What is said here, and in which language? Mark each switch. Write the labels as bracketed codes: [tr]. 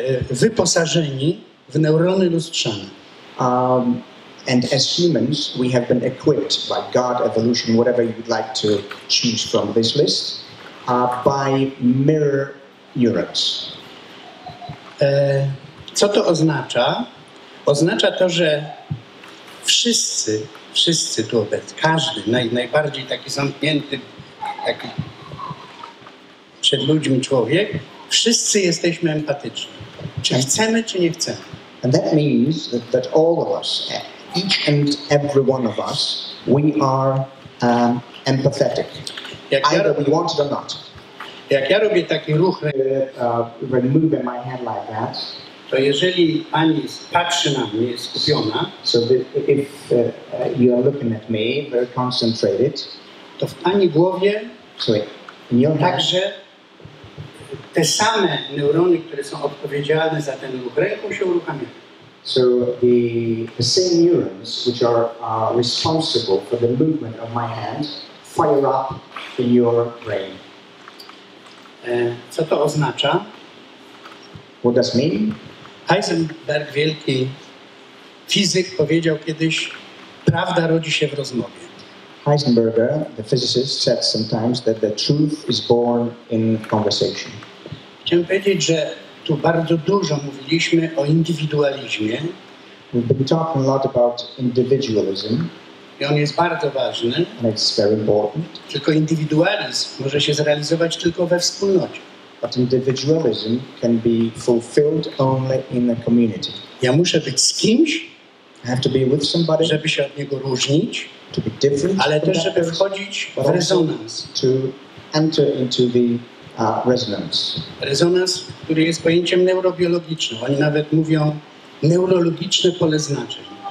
[pl] Wyposażeni w neurony lustrzane. [en] And as humans, we have been equipped by God, evolution, whatever you would like to choose from this list, by mirror neurons. [pl] Co to oznacza? Oznacza to, że wszyscy tu obecni, każdy, najbardziej taki zamknięty, taki przed ludźmi człowiek, wszyscy jesteśmy empatyczni. Czy chcemy, czy nie chcemy. [en] And that means that all of us, each and every one of us, we are empathetic. Either we want it or not. [pl] Jak ja robię taki ruch, [en] when moving my hand like that, [pl] to jeżeli pani patrzy na mnie, jest skupiona, [en] so the, if you are looking at me, very concentrated, [pl] to w pani głowie [en] sorry, [pl] także [en] head, [pl] te same neurony, które są odpowiedzialne za ten ruch ręką, się uruchamiają. [en] So the same neurons, which are responsible for the movement of my hand, fire up in your brain. [pl] Co to oznacza? [en] What does it mean? [pl] Heisenberg, wielki fizyk, powiedział kiedyś, prawda rodzi się w rozmowie. [en] Heisenberger, the physicist, said sometimes that the truth is born in conversation. [pl] Chciałem powiedzieć, że tu bardzo dużo mówiliśmy o indywidualizmie. [en] We've been talking a lot about individualism. [pl] I on jest bardzo ważny. [en] And it's very important. [pl] Tylko indywidualizm może się zrealizować tylko we wspólnocie. [en] But individualism can be fulfilled only in a community. [pl] Ja muszę być z kimś, [en] I have to be with somebody, [pl] żeby się od niego różnić, [en] to be different, [pl] ale też żeby wchodzić w rezonans. [en] To enter into the resonance. [pl] Rezonans, który jest pojęciem neurobiologicznym. Oni nawet mówią neurologiczne pole znaczeń.